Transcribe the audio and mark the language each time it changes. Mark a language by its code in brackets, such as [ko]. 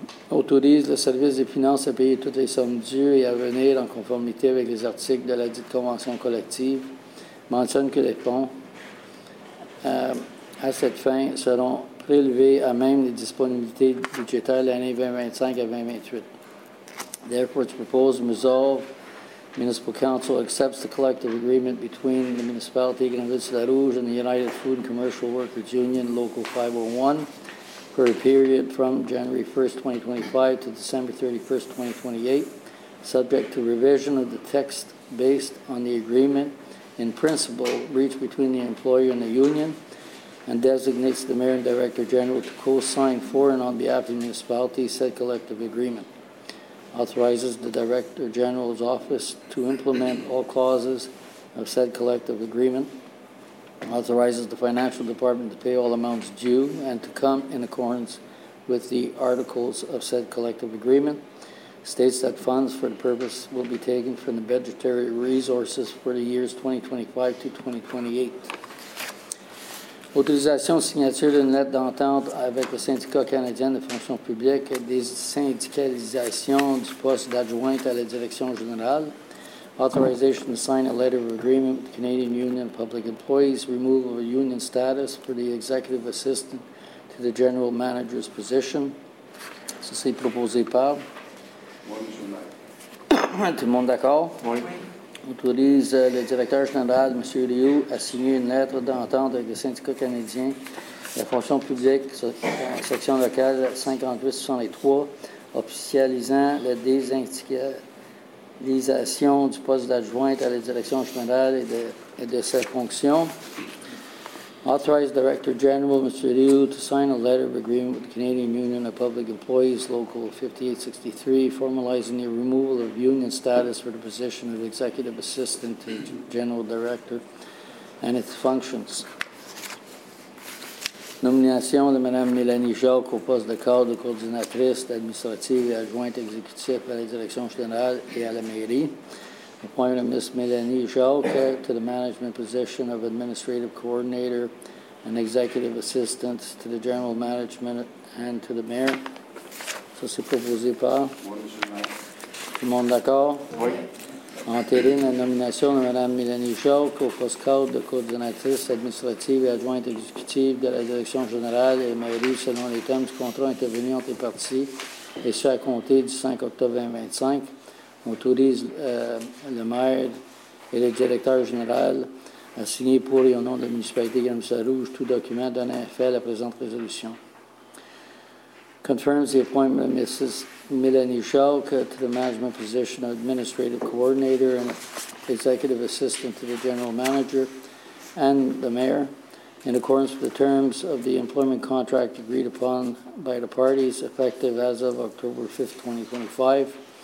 [fr] Autorise le service des finances à payer toutes les sommes dues et à venir en conformité avec les articles de la dite convention collective. Mentionne que les fonds à cette fin seront prélevés à même les disponibilités budgétaires de l'année 2025 à 2028. [en] Therefore, it's proposed and resolved the Municipal Council accepts the collective agreement between the Municipality of Grande-Ville-Sarrouge and the United Food and Commercial Workers Union, Local 501, for a period from January 1, 2025 to December 31, 2028, subject to revision of the text based on the agreement in principle reached between the employer and the union, and designates the mayor and director general to co-sign for and on behalf of the municipality said collective agreement, authorizes the director general's office to implement all clauses of said collective agreement, authorizes the financial department to pay all amounts due and to come in accordance with the articles of said collective agreement, states that funds for the purpose will be taken from the budgetary resources for the years 2025 to 2028. [fr] Autorisation signature d'une lettre d'entente avec le syndicat canadien de fonction publique et des syndicalisations du poste d'adjointe à la direction générale. [en] Authorization to sign a letter of agreement with the Canadian Union of Public Employees, removal of a union status for the executive assistant to the general manager's position. [fr] Ceci est proposé par. Tout le monde d'accord? Oui. Autorise le directeur général, M. Liu, à signer une lettre d'entente avec le syndicat canadien de la fonction publique, section locale 5863, officialisant la désindicalisation du poste d'adjointe à la direction générale et de sa fonction. [en] Authorize Director General, Mr. Liu, to sign a letter of agreement with the Canadian Union of Public Employees, Local 5863, formalizing the removal of union status for the position of Executive Assistant to General Director and its functions. [fr] Nomination de Mme Mélanie Jacques au poste de cadre de coordinatrice administrative et adjointe exécutive à la Direction générale et à la mairie. [en] Appointment of Ms. Mélanie Jacques to the management position of Administrative Coordinator and Executive Assistant to the General Management and to the Mayor. [fr] Ça, c'est proposé par. Oui, Tout le monde d'accord? Oui. Entérine la nomination de Mme Mélanie Jacques au poste cadre de coordinatrice administrative et adjointe exécutive de la direction générale et Maurice selon les termes du contrat intervenu entre les parties et ce à compter du 5 octobre 2025. On autorise le maire et le directeur général à signer pour et au nom de la municipalité Gramsay-Rouge tout document donnant effet à la présente résolution. [en] Confirms the appointment of Mrs. Mélanie Schalke to the management position of administrative coordinator and executive assistant to the general manager and the mayor in accordance with the terms of the employment contract agreed upon by the parties effective as of October 5, 2025.